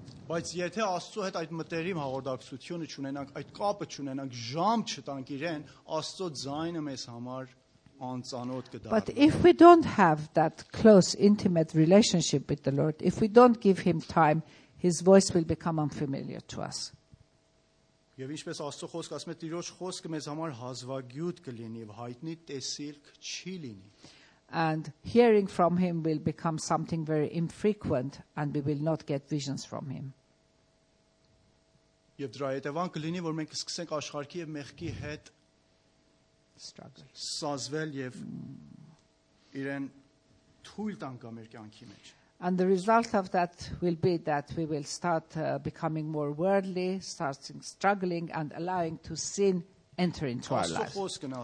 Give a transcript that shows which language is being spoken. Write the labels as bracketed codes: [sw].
[hy] բայց եթե Աստծո հետ այդ մտերիմ հաղորդակցությունը չունենանք, այդ կապը չունենանք, ժամ չտանք իրեն, Աստծո ձայնը մեզ համար անծանոթ կդառնա. [en] But if we don't have that close intimate relationship with the Lord, if we don't give him time, his voice will become unfamiliar to us. [hy] Եվ ինչպես Աստծո խոսքը ասում է, Տիրոջ խոսքը մեզ համար հազվագյուտ կլինի եւ հայտնի տեսիլք չի լինի. [en] And hearing from him will become something very infrequent and we will not get visions from him. [hy] Եվ դրա հետևանք կլինի, որ մենք սկսենք աշխարհի եւ մեղքի հետ [en] struggle. [hy] Սազվել եւ իրեն թույլ տանք մեր կյանքի մեջ. [en] And the result of that will be that we will start becoming more worldly, starting struggling and allowing to sin enter into our lives.